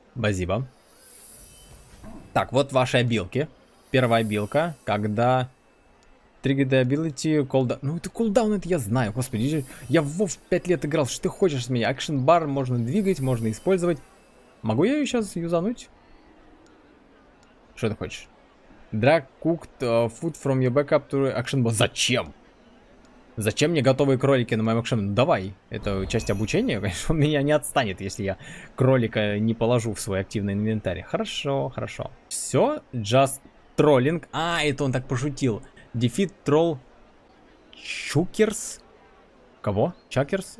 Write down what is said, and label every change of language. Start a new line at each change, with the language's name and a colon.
Russian: Базиба. Так, вот ваши абилки. Первая абилка, когда...
English: Triggered ability, cooldown.
Russian: Ну это cooldown, это я знаю, господи. Я в WoW 5 лет играл, что ты хочешь с меня? Action bar можно двигать, можно использовать. Могу я ее сейчас юзануть? Что ты хочешь?
English: Drag cooked food from your backup to action bar.
Russian: Зачем? Зачем мне готовые кролики на моем экшен? Давай, это часть обучения, конечно, он меня не отстанет, если я кролика не положу в свой активный инвентарь. Хорошо, хорошо. Все,
English: just trolling.
Russian: А, это он так пошутил.
English: Defeat troll chukers.
Russian: Кого? Chukers?